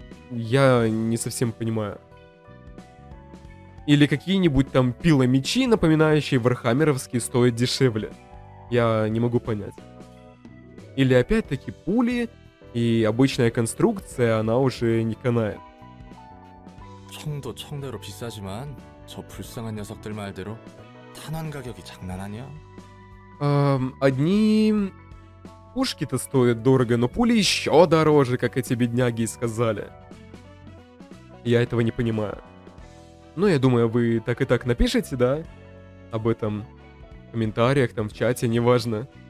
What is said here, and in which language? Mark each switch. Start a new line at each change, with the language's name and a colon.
Russian: Я не совсем понимаю. Или какие-нибудь там пиломечи, напоминающие вархаммеровские, стоят дешевле. Я не могу понять. Или опять-таки пули... И обычная конструкция, она уже не канает.
Korean: 총도 총대로 비싸지만 저 불쌍한 녀석들 말대로 탄환 가격이 장난 아니야.
Russian: одни пушки-то стоят дорого, но пули еще дороже, как эти бедняги сказали. Я этого не понимаю. Ну, я думаю, вы так и так напишите, да, об этом в комментариях, там в чате, неважно.